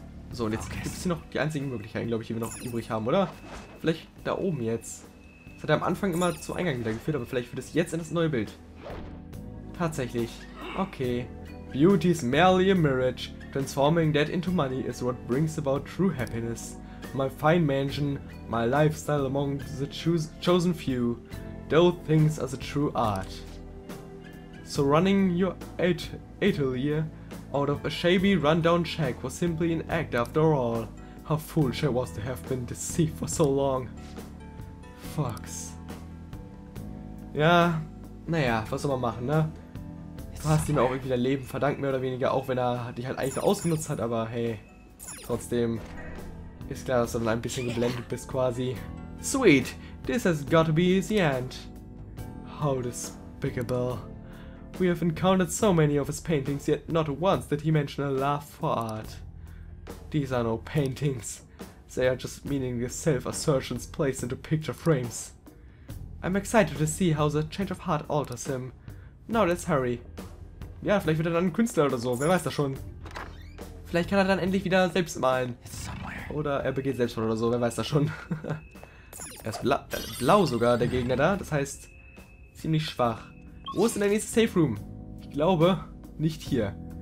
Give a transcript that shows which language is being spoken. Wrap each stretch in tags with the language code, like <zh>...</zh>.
<de>So, und jetzt gibt es hier noch die einzigen Möglichkeiten, glaube ich, die wir noch übrig haben, oder? Vielleicht da oben jetzt. Das hat ja am Anfang immer zum Eingang wieder geführt, aber vielleicht führt es jetzt in das neue Bild. Tatsächlich.</de> <en>Okay. Beauty is merely a mirage. Transforming that into money is what brings about true happiness. My fine mansion, my lifestyle among the chosen few. Those things are the true art. So running your atelier out of a shabby rundown shack was simply an act after all. How foolish I was to have been deceived for so long.</en> <de>Fucks. Ja, naja, was soll man machen, ne? Du hast ihm auch irgendwie dein Leben verdankt, mehr oder weniger, auch wenn er dich halt eigentlich ausgenutzt hat, aber hey. Trotzdem ist klar, dass du dann ein bisschen geblendet bist, quasi.</de> <en>Sweet, this has got to be the end. How despicable. We have encountered so many of his paintings, yet not once did he mention a love for art. These are no paintings. They are just meaningless self-assertions placed into picture frames. I'm excited to see how the change of heart alters him. Now let's hurry.</en> <de>Ja, vielleicht wird er dann ein Künstler oder so, wer weiß das schon. Vielleicht kann er dann endlich wieder selbst malen. Oder er begeht Selbstmord oder so, wer weiß das schon. Er ist blau sogar, der Gegner da, das heißt, ziemlich schwach. Wo ist denn der nächste Safe Room? Ich glaube, nicht hier.</de>